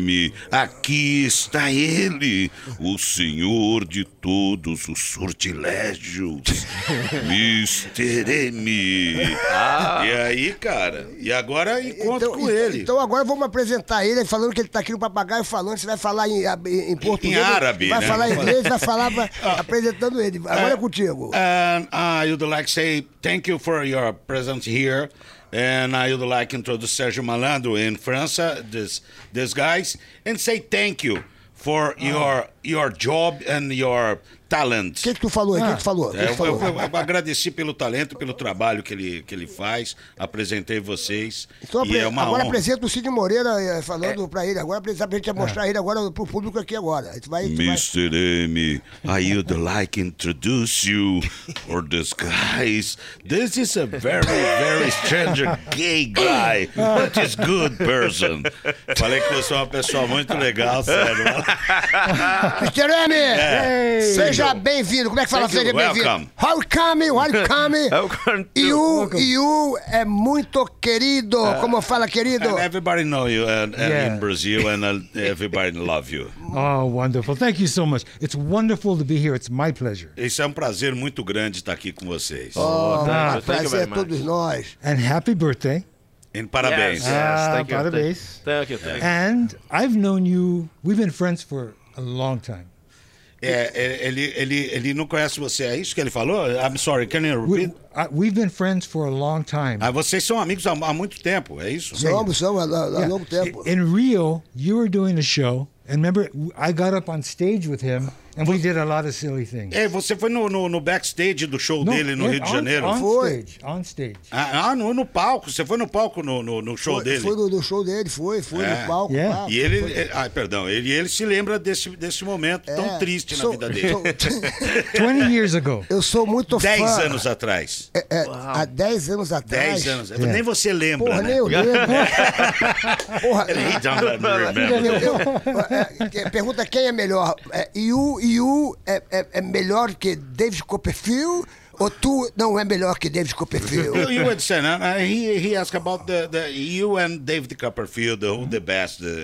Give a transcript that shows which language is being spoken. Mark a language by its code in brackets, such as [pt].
[pt] M, aqui está ele, o senhor de todos os sortilégios, Mr. M. E aí, cara, e agora encontro com ele. Então agora vamos apresentar ele, falando que ele está aqui no Papagaio falando, você vai falar em português. Em árabe, vai, né? Falar em inglês, vai falar apresentando ele. Agora é contigo. [en] I would like to say thank you for your presence here. And I would like to introduce Sérgio Malandro in France, this guys, and say thank you for your job and your talent. [pt] O que tu falou aí? Eu agradeci pelo talento, pelo trabalho que ele faz, apresentei vocês. Então, apresenta o Cid Moreira falando para ele agora, precisa pra gente mostrar ele agora pro público aqui agora. [en] Mr. M, I would like to introduce you for this guys. This is a very, very strange gay guy, but he's good person. [pt] Falei que você é uma pessoa muito legal, sério. Mr. M, seja bem-vindo. Como é que fala? Seja bem-vindo. [en] Welcome. [pt] You é muito querido. Como fala, querido? [en] And everybody know you in Brazil, and everybody love you. Oh, wonderful. Thank you so much. It's wonderful to be here. It's my pleasure. [pt] Esse é um prazer muito grande estar aqui com vocês. Prazer a todos nós. [en] And happy birthday. [pt] And parabéns. [en] Yes, thank you. Parabéns. Thank you. And I've known you, we've been friends for a long time. [pt] Ele não conhece você, é isso que ele falou? [en] I'm sorry, can you repeat? We've been friends for a long time. [pt] Ah, vocês são amigos há muito tempo, é isso? Somos há longo tempo. [en] In Rio, you were doing a show, and remember, I got up on stage with him, and we did a lot of silly things. [pt] É, você foi no backstage do show dele no Rio de Janeiro? [en] On stage. [pt] No palco, você foi no palco no show dele? Foi no show dele, foi no palco. [en] Yeah. [pt] Palco. E ele, ele se lembra desse momento tão triste na vida dele. [en] 20 years ago. [pt] Eu sou muito fã. 10 anos atrás. Há 10 anos atrás. 10 anos. Yeah. Nem você lembra. Porra, né? Nem eu lembro. [en] Porra. He don't remember. [pt] Pergunta quem é melhor. You é melhor que David Copperfield? Ou tu não é melhor que David Copperfield? [en] You would say, he asked about the you and David Copperfield, who the best.